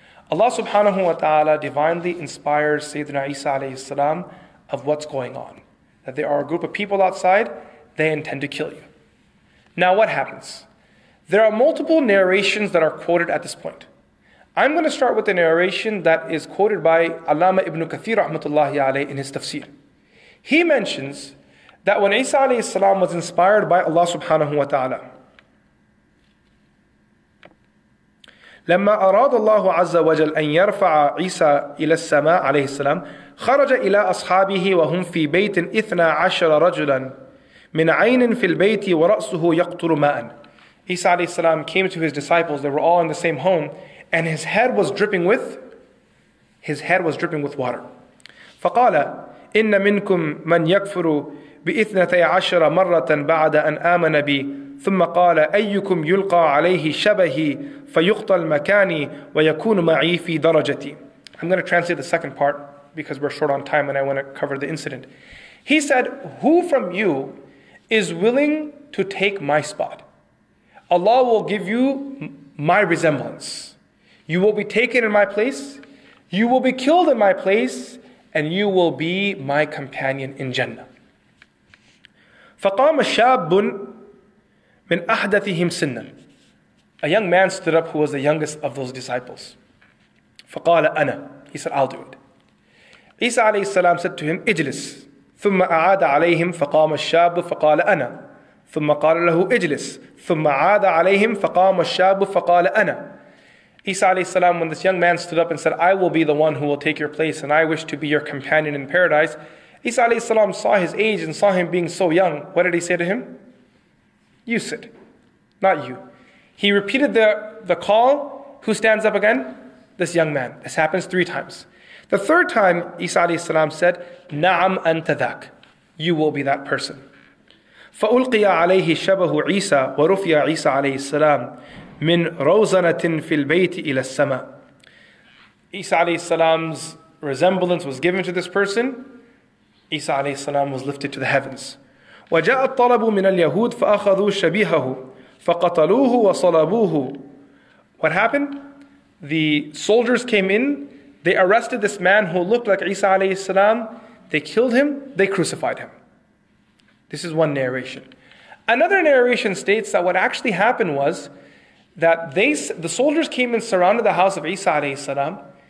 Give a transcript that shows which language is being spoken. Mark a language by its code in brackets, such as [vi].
[en] Allah subhanahu wa ta'ala divinely inspires Sayyidina Isa alayhi salam of what's going on. That there are a group of people outside, they intend to kill you. Now what happens? There are multiple narrations that are quoted at this point. I'm going to start with the narration that is quoted by Allama ibn Kathir rahmatullahi alayhi in his tafsir. He mentions that when Isa alayhi salam was inspired by Allah subhanahu wa ta'ala, [ar] لما أراد الله عز وجل أن يرفع عيسى إلى السماء عليه السلام خرج إلى أصحابه وهم في بيت إثنى عشر رجلا من عين في البيت ورأسه يقطر ماء. [en] عيسى عليه السلام came to his disciples. They were all in the same home, and his head was dripping with water. [ar] فقال إن منكم من يكفر بإثنتي عشر مرة بعد أن آمن بي ثم قال أيكم يلقى عليه شبهي فيقتل مكاني ويكون معي في درجتي. [en] I'm going to translate the second part because we're short on time and I want to cover the incident. He said, who from you is willing to take my spot? Allah will give you my resemblance. You will be taken in my place, you will be killed in my place, and you will be my companion in Jannah. [ar] فقام شاب من أحدثهم سنا. [en] A young man stood up who was the youngest of those disciples. [ar] فقال أنا. [en] He said, I'll do it. عيسى عليه السلام said to him, [ar] اجلس. ثم أعاد عليهم فقام الشاب فقال أنا. ثم قال له اجلس. ثم عاد عليهم فقام الشاب فقال أنا. [en] عيسى عليه السلام, when this young man stood up and said, I will be the one who will take your place and I wish to be your companion in paradise. عيسى عليه السلام saw his age and saw him being so young. What did he say to him? You sit, not you. He repeated the call. Who stands up again? This young man. This happens three times. The third time, Isa alayhi salam said, [ar] Na'am anta dhak. [en] You will be that person. [ar] فَأُلْقِيَ عَلَيْهِ شَبَهُ عِيسَى وَرُفِيَ عِيسَى عَلَيْهِ السَّلَامِ مِنْ رَوْزَنَةٍ فِي الْبَيْتِ إِلَى السَّمَاءِ. [en] Isa alayhi salam's resemblance was given to this person. Isa alayhi salam was lifted to the heavens. [ar] وجاء الطلب من اليهود فأخذوا شبيهه فقتلوه وصلبوه. [en] What happened? The soldiers came in, they arrested this man who looked like Isa alayhi salam, they killed him, they crucified him. This is one narration. Another narration states that what actually happened was that the soldiers came and surrounded the house of Isa alayhi salam.